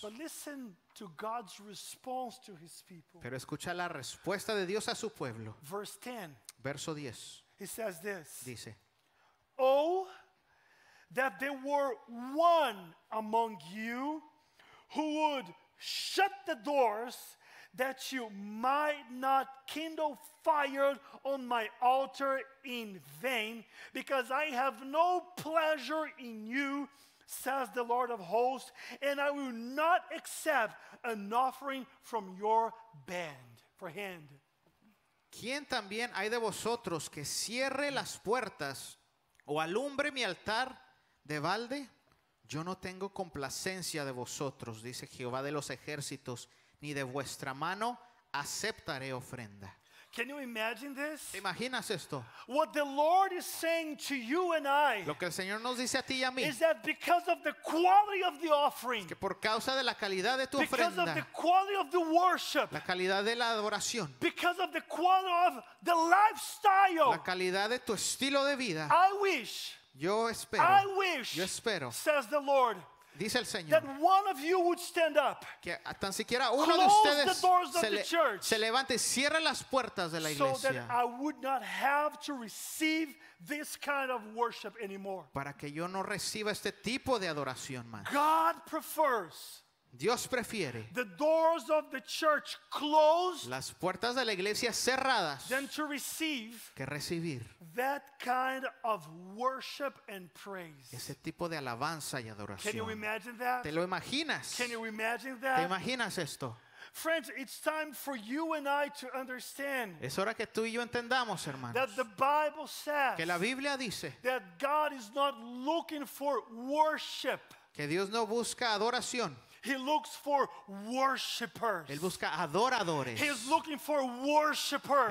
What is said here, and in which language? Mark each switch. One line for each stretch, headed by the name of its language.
English: But listen to God's response to his people.
Spanish: Pero escucha la respuesta de Dios a su pueblo.
English: Verse 10.
Spanish: Verso 10.
English: He says this.
Spanish: Dice,
English: oh, that there were one among you who would shut the doors that you might not kindle fire on my altar in vain, because I have no pleasure in you, says the Lord of hosts, and I will not accept an offering from your hand.
Spanish: ¿Quién también hay de vosotros que cierre las puertas o alumbre mi altar de balde? Yo no tengo complacencia de vosotros, dice Jehová de los ejércitos, ni de vuestra mano aceptaré ofrenda.
English: Can you imagine this?
Spanish: ¿Te imaginas esto?
English: What the Lord is saying to you and I,
Spanish: lo que el Señor nos dice a ti y a mí,
English: is that because of the quality of the offering,
Spanish: que por causa de la calidad de tu
English: because
Spanish: ofrenda,
English: of the quality of the worship,
Spanish: la calidad de la adoración,
English: because of the quality of the lifestyle,
Spanish: la calidad de tu estilo de vida,
English: I wish,
Spanish: yo espero,
English: I wish,
Spanish: yo espero,
English: says the Lord,
Spanish: dice el Señor,
English: that one of you would stand up,
Spanish: que tan siquiera uno de ustedes
English: the doors of the church,
Spanish: se levante, cierre las puertas de la iglesia,
English: so that I would not have to receive this kind of worship anymore,
Spanish: para que yo no reciba este tipo de adoración más.
English: God prefers,
Spanish: Dios prefiere,
English: the doors of the church closed,
Spanish: las puertas de la iglesia cerradas,
English: than to receive,
Spanish: que recibir,
English: that kind of worship and praise,
Spanish: ese tipo de alabanza y adoración.
English: Can you imagine that?
Spanish: ¿Te lo imaginas?
English: Can you imagine that?
Spanish: ¿Te imaginas esto?
English: Friends, it's time for you and I to understand,
Spanish: es hora que tú y yo entendamos, hermanos,
English: that the Bible says,
Spanish: que la Biblia dice,
English: that God is not looking for worship,
Spanish: que Dios no busca adoración.
English: He looks for worshipers.
Spanish: Él busca adoradores.
English: He's looking for worshipers.